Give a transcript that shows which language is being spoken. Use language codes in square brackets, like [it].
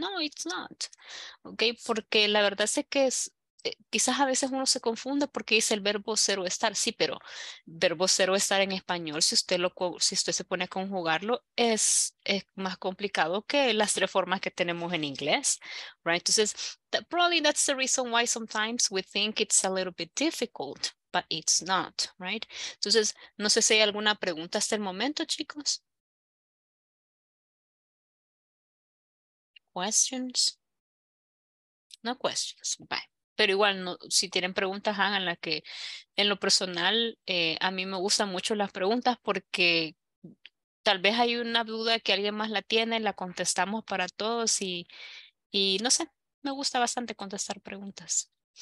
[en] No, it's not, okay? [es] Porque la verdad es que es, quizás a veces uno se confunde porque dice el verbo ser o estar. Sí, pero verbo ser o estar en español, si usted se pone a conjugarlo, es más complicado que las tres formas que tenemos en inglés, right? [en] Entonces, probably that's the reason why sometimes we think it's a little bit difficult, but it's not, right? [es] Entonces, no sé si hay alguna pregunta hasta el momento, chicos. [en] Questions? No questions. Bye. [es] Pero igual, no, si tienen preguntas, háganlas, que en lo personal, a mí me gustan mucho las preguntas porque tal vez hay una duda que alguien más la tiene, la contestamos para todos y no sé, me gusta bastante contestar preguntas.